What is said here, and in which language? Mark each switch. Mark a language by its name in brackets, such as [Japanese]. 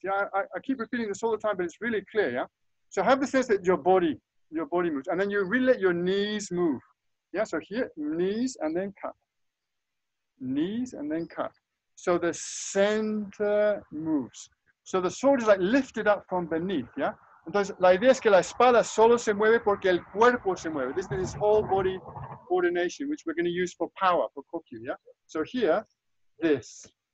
[English] Yeah, I keep repeating this all the time, but it's really clear, yeah? So have the sense that your body moves. And then you really let your knees move. Yeah, so here, knees and then cut. Knees and then cut. So the center moves. So the sword is like lifted up from beneath, yeah? [Spanish] Entonces, la idea es que la espada solo se mueve porque el cuerpo se mueve. [English] This is whole body coordination, which we're going to use for power, for koku, yeah? So here, this.